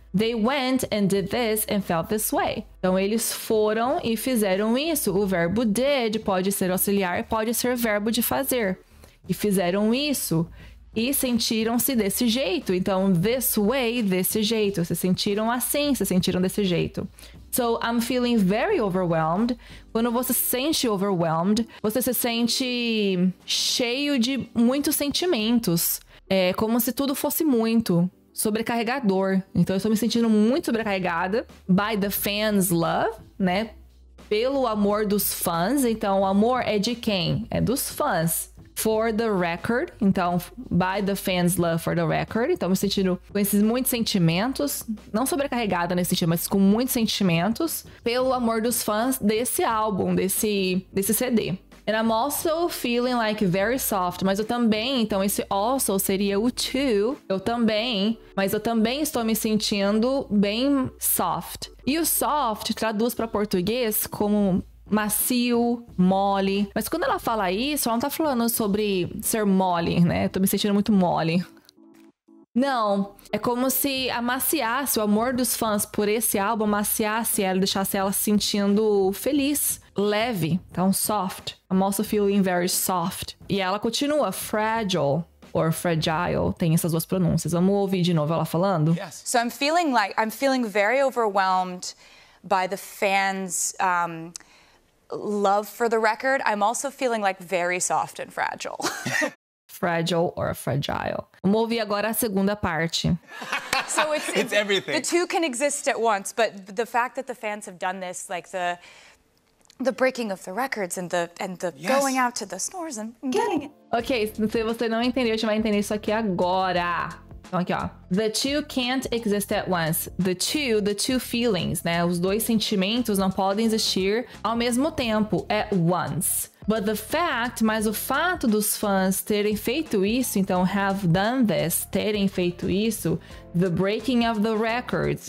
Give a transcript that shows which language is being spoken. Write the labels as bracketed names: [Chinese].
[English] They went and did this and felt this way. [Portuguese] Então, eles foram e fizeram isso. O verbo did pode ser auxiliar e pode ser verbo de fazer. E fizeram isso e sentiram-se desse jeito. Então, this way, desse jeito. Se sentiram assim, se sentiram desse jeito. [English] So, I'm feeling very overwhelmed. [Portuguese] Quando você se sente overwhelmed, você se sente cheio de muitos sentimentos. É como se tudo fosse muito. Sobrecarregador. Então, eu estou me sentindo muito sobrecarregada [English] by the fans' love, [Portuguese] né? Pelo amor dos fãs. Então, o amor é de quem? É dos fãs. [English] For the record. [Portuguese] Então, [English] by the fans' love for the record. [Portuguese] Então, me sentindo com esses muitos sentimentos. Não sobrecarregada nesse sentido, mas com muitos sentimentos. Pelo amor dos fãs desse álbum, desse CD. [English] And I'm also feeling like very soft, [Portuguese] mas eu também, então esse also seria o to, eu também, mas eu também estou me sentindo bem soft. E o soft traduz para português como macio, mole, mas quando ela fala isso, ela não tá falando sobre ser mole, né? Eu tô me sentindo muito mole. Não, é como se amaciasse o amor dos fãs por esse álbum, amaciasse ela, deixasse ela sentindo feliz, leve, então soft. [English] I'm also feeling very soft. [Portuguese] E ela continua, fragile or fragile, tem essas duas pronúncias. Vamos ouvir de novo ela falando? [English] Yes. So I'm feeling like, I'm feeling very overwhelmed by the fans' love for the record. I'm also feeling like very soft and fragile. [Portuguese] Fragile or fragile. Vamos ouvir agora a segunda parte. [English] So it's everything. The two can exist at once, but the fact that the fans have done this, like the breaking of the records and the yes. Going out to the stores and getting it. [Portuguese] Ok, se você não entendeu, a gente vai entender isso aqui agora. Então aqui, ó. [English] The two can't exist at once. The two feelings, [Portuguese] né? Os dois sentimentos não podem existir ao mesmo tempo, [English] at once. But the fact, [Portuguese] mas o fato dos fãs terem feito isso, então [English] have done this, [Portuguese] terem feito isso, [English] the breaking of the records.